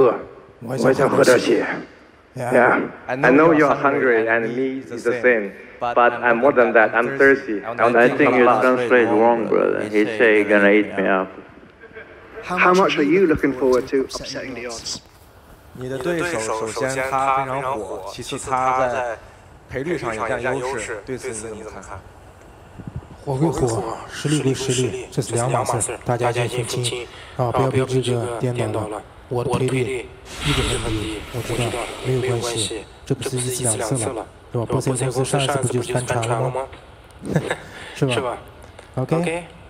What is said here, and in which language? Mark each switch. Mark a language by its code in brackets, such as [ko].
[zh] 不好意思，我也很饿，我不但饿，我还想喝点血。Yeah, [en] I know you're hungry and me is the same, but I'm more than that. I'm thirsty. And I think you translate wrong, brother. He say he's gonna eat me up. How much are you looking forward to upsetting the odds? [zh] 你的对手首先他非常火，其次他在赔率上一样优势，对此你怎么看？火归火，实力归实力，这是两码事，大家先听清。啊，不要被这个颠倒了，我的推力一直很低，我知道，没有关系，这不是一次两次了，是吧？波塞斯上次不就是三场了吗？是吧？OK，